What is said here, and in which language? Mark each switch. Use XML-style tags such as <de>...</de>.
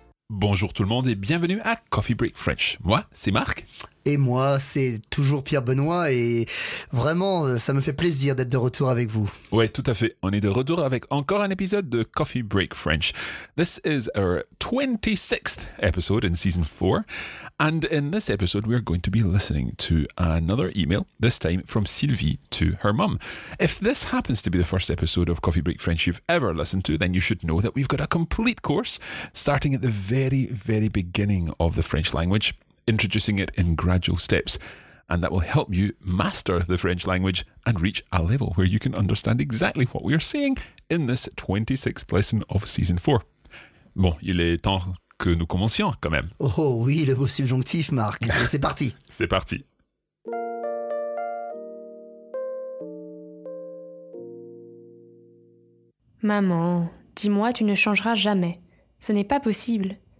<fr>Bonjour tout le monde et bienvenue à Coffee Break French. Moi, c'est Marc. Et moi, c'est toujours Pierre-Benoît et vraiment, ça me fait plaisir d'être de retour avec vous. Ouais, tout à fait. On est de retour avec encore un épisode de Coffee Break French.</fr> <en>This is our 26th episode in Season 4. And in this episode, we are going to be listening to another email, this time from Sylvie to her mum. If this happens to be the first episode of Coffee Break French you've ever listened to, then you should know that we've got a complete course starting at the very, very beginning of the French language, introducing it in gradual steps, and that will help you master the French language and reach a level where you can understand exactly what we are saying in this 26th lesson of Season 4.</en> <fr>Bon, il est temps que nous commencions quand même. Oh oui, le beau subjonctif, Marc. C'est parti. C'est parti. Maman, dis-moi, tu ne changeras jamais. Ce n'est pas possible.</fr>